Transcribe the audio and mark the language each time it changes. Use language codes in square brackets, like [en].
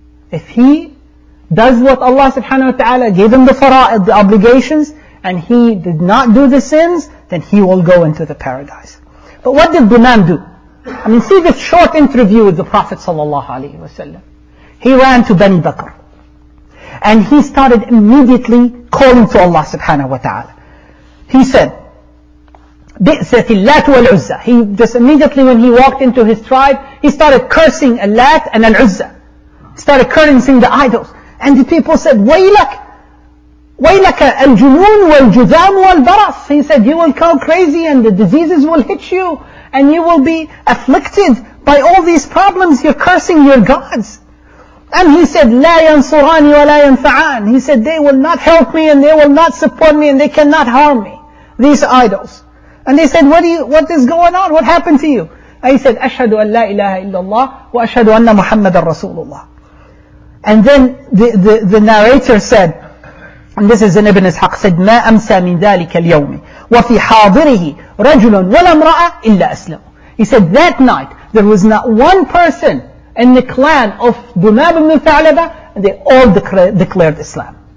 [en] If he does what Allah subhanahu wa ta'ala gave him the fara'id, the obligations, and he did not do the sins, then he will go into the paradise. But what did Dumam do? I mean, see this short interview with the Prophet sallallahu alayhi wa sallam. He ran to Bani Bakr. And he started immediately calling to Allah subhanahu wa ta'ala. He said, [ar] بِئْسَةِ اللَّاتُ وَالْعُزَّةِ. [en] He just immediately when he walked into his tribe, he started cursing Allat and Al-Uzza. Started cursing the idols. And the people said, [ar] وَيْلَكَ وَيْلَكَ الْجُنُونَ وَالْجُذَامُ وَالْبَرَصُ. [en] He said, you will come crazy and the diseases will hit you and you will be afflicted by all these problems. You're cursing your gods. And he said, [ar] لَا يَنْصُرَانِ وَلَا يَنْفَعَانِ. [en] He said, they will not help me and they will not support me and they cannot harm me, these idols. And they said, what is going on? What happened to you? And he said, [ar] أَشْهَدُ أَنْ لَا إِلَهَ إِلَّا اللَّهِ وَأَشْهَدُ أَنَّ مُحَمَّدًا رَسُولُ اللَّهِ. [en] And then the narrator said, and this is in Ibn Ishaq, said, [ar] مَا أَمْسَى مِنْ ذَلِكَ الْيَوْمِ وَفِي حَاضِرِهِ رَجُلٌ وَلَمْرَأَ إِلَّا أَسْلَمُ. [en] He said, that night, there was not one person in the clan of Dumam ibn Thalaba, and they all declared Islam.